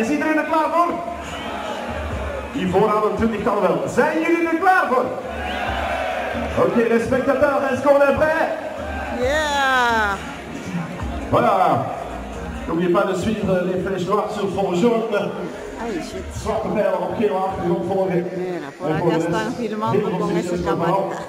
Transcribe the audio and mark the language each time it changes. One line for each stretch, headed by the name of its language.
Dutch: Is iedereen er klaar voor? Die voorhouden 20-tal wel. Zijn jullie er klaar voor?
French: Oké, les spectateurs, est-ce qu'on est prêt?
Dutch: Ja!
French: Voilà! N'oubliez pas de suivre les flèches noires sur fond jaune.
Dutch: Zwarte pijlen op geel achtergrond volgen. Ja, voor de rest, heel veel zin in de verhaal.